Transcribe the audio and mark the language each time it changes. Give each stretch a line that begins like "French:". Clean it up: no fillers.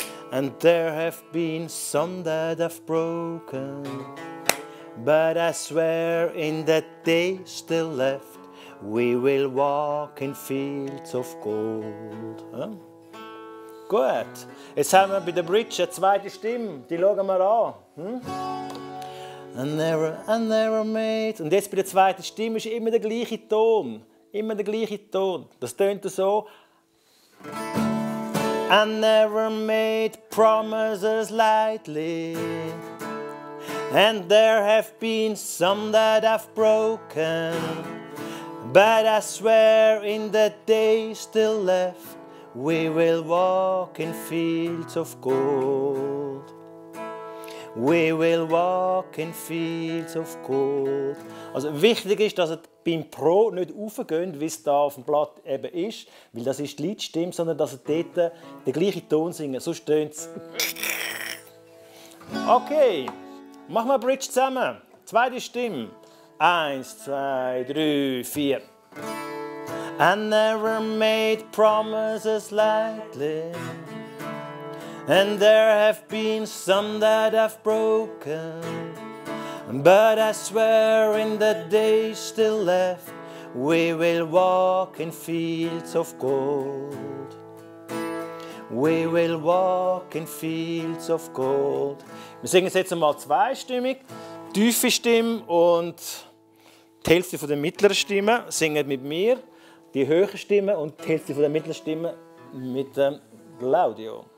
English: And there have been some that I've broken. But I swear in the day still left, we will walk in fields of gold. Huh?
German: Gut, jetzt haben wir bei der Bridge eine zweite Stimme, die schauen wir an. Hm?
English: I never made.
German: Und jetzt bei der zweiten Stimme ist immer der gleiche Ton. Immer der gleiche Ton. Das tönt so.
English: I never made promises lightly. And there have been some that I've broken. But I swear in the day still left, we will walk in fields of gold. We will walk in fields of gold.
German: Also wichtig ist, dass ihr beim Pro nicht aufgeht, wie es da auf dem Blatt eben ist, weil das ist die Leitstimme, sondern dass ihr dort den gleichen Ton singt. Sonst tönt es. Okay, machen wir Bridge zusammen. Zweite Stimme. Eins, zwei, drei, vier.
English: I never made promises lightly, and there have been some that I've broken. But I swear in the days still left, we will walk in fields of gold. We will walk in fields of gold.
German: Wir singen jetzt einmal zweistimmig, tiefe Stimme und die Hälfte von der mittleren Stimme singen mit mir. Die höhere Stimme und die Hälfte von der mittleren Stimme mit dem Claudio.